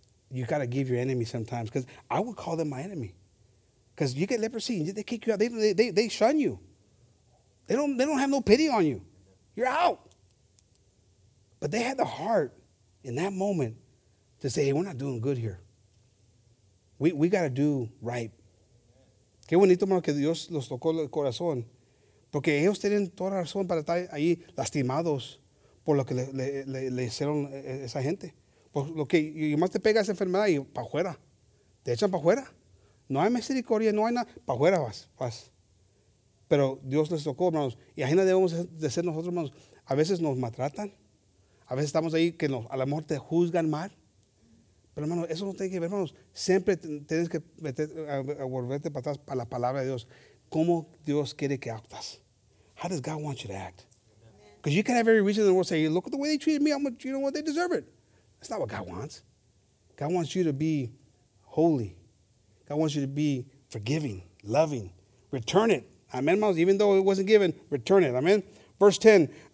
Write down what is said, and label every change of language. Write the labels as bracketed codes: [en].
[en] You got to give your enemy sometimes, because I would call them my enemy. Because you get leprosy and they kick you out. They shun you. They don't have no pity on you. You're out. But they had the heart in that moment to say, hey, we're not doing good here. We got to do right. [es] Qué bonito, hermano, que Dios los tocó el corazón. Porque ellos tienen toda razón para estar ahí lastimados por lo que le hicieron esa gente. Pues lo que más te pega esa enfermedad y para afuera. Te echan para afuera. No hay misericordia, no hay nada. Para afuera vas. Pero Dios les tocó, hermanos. Y ahí no debemos de ser nosotros, hermanos. A veces nos maltratan. A veces estamos ahí que a lo mejor te juzgan mal. Pero, hermanos, eso no tiene que ver, hermanos. Siempre tienes que volverte para atrás para la palabra de Dios. ¿Cómo Dios quiere que actas? [en] How does God want you to act? Because you can have every reason in the world to say, look at the way they treated me. How much, you know what? They deserve it. That's not what God wants. God wants you to be holy. God wants you to be forgiving, loving. Return it. Amen, Moses. Even though it wasn't given, return it. Amen. Verse 10.